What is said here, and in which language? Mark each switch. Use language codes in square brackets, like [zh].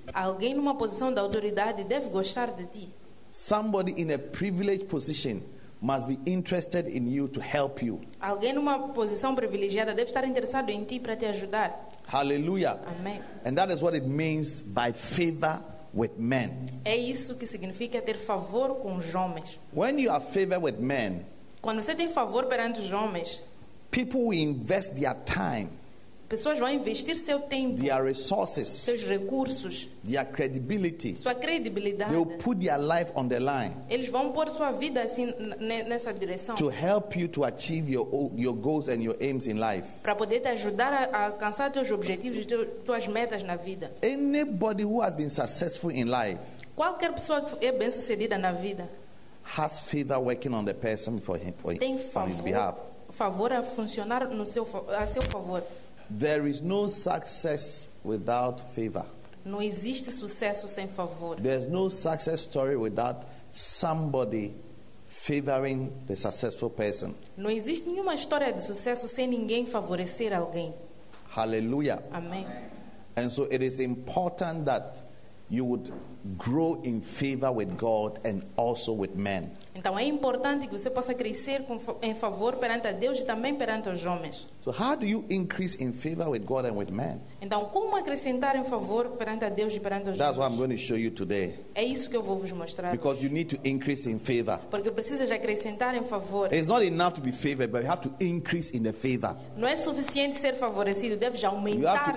[pt] Alguém numa posição de autoridade deve gostar de ti. [en] Somebody in a privileged position must be interested in you to help you. [pt] Alguém numa posição privilegiada deve estar interessado em ti para te ajudar. [en] Hallelujah. [pt] Amém. [en] And that is what it means by favor with men. [pt] É isso que significa ter favor com os homens. [en] When you have favor with men, [pt] quando você tem favor perante os homens, [en] people will invest their time, [pt] pessoas vão investir seu tempo, [en] their resources, [pt] seus recursos, [en] their credibility, [pt] sua credibilidade. [en] They will put their life on the line. [pt] Eles vão pôr sua vida assim nessa direção. [en] To help you to achieve your goals and your aims in life. [pt] Para poder te ajudar a alcançar teus objetivos e tuas metas na vida. [en] Anybody who has been successful in life, [pt] qualquer pessoa que é bem-sucedida na vida, [en] has favor working on the person for him, for [pt] tem favor, [en] on his behalf. [pt] Favor a funcionar no seu, a seu favor. [en] There is no success without favor. [pt] Não existe sucesso sem favor. [en] There's no success story without somebody favoring the successful person. [pt] Não existe nenhuma história de sucesso sem ninguém favorecer alguém. [en] Hallelujah. [pt] Amém. [en] And so it is important that you would grow in favor with God and also with men. [pt] Então é importante que você possa crescer em favor perante a Deus e também perante os homens. [en] So how do you increase in favor with God and with men? [pt] Então como acrescentar em favor perante a Deus e perante os homens? [en] That's what I'm going to show you today. [pt] É isso que eu vou vos mostrar. [en] Because you need to increase in favor. [pt] Porque precisa acrescentar em favor. [en] It's not enough to be favored, but you have to increase in the favor. [pt] Não é suficiente ser favorecido, deve já aumentar nesse favor.